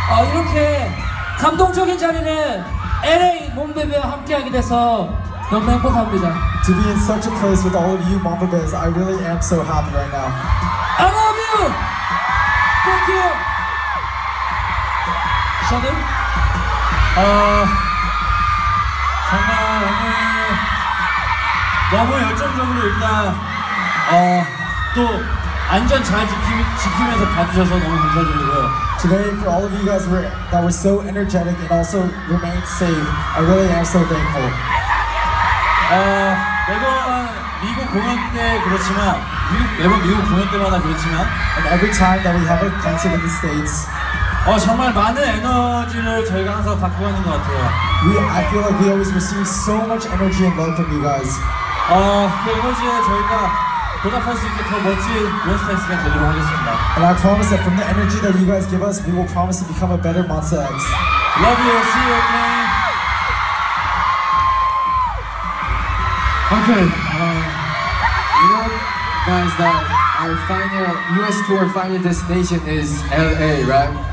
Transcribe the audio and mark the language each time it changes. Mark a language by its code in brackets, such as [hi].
[ko] 이렇게 감동적인 자리를 LA 몬베베와 함께하게 돼서 너무 행복합니다. [en] To be in such a place with all of you Bumblebees, I really am so happy right now. I love you! Thank you! Sheldon? [ko] 정말 너무 열정적으로 일단 또 안전 잘 지키면서 봐주셔서 너무 감사드리고요. [en] Today, for all of you guys that were so energetic and also remained safe, I really am so thankful. [ko] 매번 미국 공연 때마다 그렇지만 [en] and every time that we have a concert in the States, [ko] 정말 많은 에너지를 저희가 항상 받고 가는 것 같아요. [en] I feel like we always receive so much energy and love from you guys. [ko] 그 에너지에 저희가 보답할 수 있게 더 멋진 몬스터 X가 되도록 하겠습니다. [en] And I promise that from the energy that you guys give us, we will promise to become a better Monster X. Love you, see you again. Okay, you know guys that our final US tour final destination is LA, right?